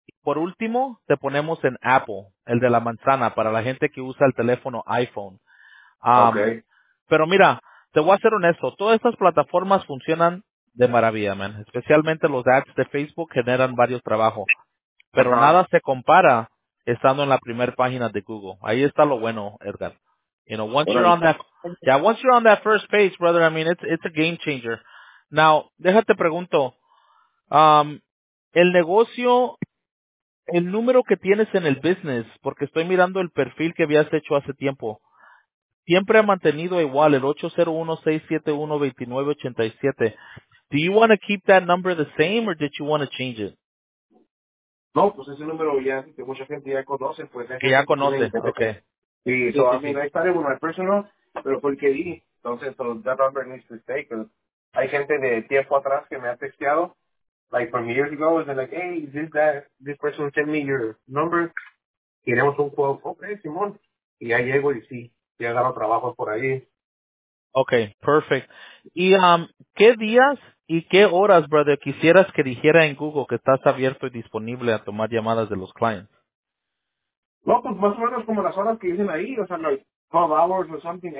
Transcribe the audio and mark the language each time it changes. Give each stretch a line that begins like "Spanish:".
Spanish: Por último, te ponemos en Apple, el de la manzana, para la gente que usa el teléfono iPhone. Pero mira, te voy a ser honesto. Todas estas plataformas funcionan de maravilla, man. Especialmente los ads de Facebook generan varios trabajos. Pero nada se compara estando en la primera página de Google. Ahí está lo bueno, Edgar.
English: You know, once you're on that first page, brother, I mean, it's a game changer.
Spanish: Now, déjate pregunto, el negocio, el número que tienes en el business, porque estoy mirando el perfil que habías hecho hace tiempo, siempre ha mantenido igual, el 801-671-2987.
English: Do you want to keep that number the same, or did you want to change it?
Spanish: No, pues ese número ya, que mucha gente ya conoce, pues. Que ya conoce, ok.
English: Sí, so, sí, sí. I mean, I started with my personal,
Spanish: pero fue el que di.
English: Entonces, so, that number needs to stay, because
Spanish: hay gente de tiempo atrás que me ha texteado,
English: like, from years ago, and they're like, hey, this, that, this person sent me your number.
Spanish: Queremos un juego. Ok, Simón. Y ya llego y sí, ya agarro trabajo por ahí.
English: Okay, perfect.
Spanish: Y ¿qué días y qué horas, brother, quisieras que dijera en Google que estás abierto y disponible a tomar llamadas de los clients? No, pues más o menos como las horas que dicen ahí, o sea,
English: like 12 hours or something.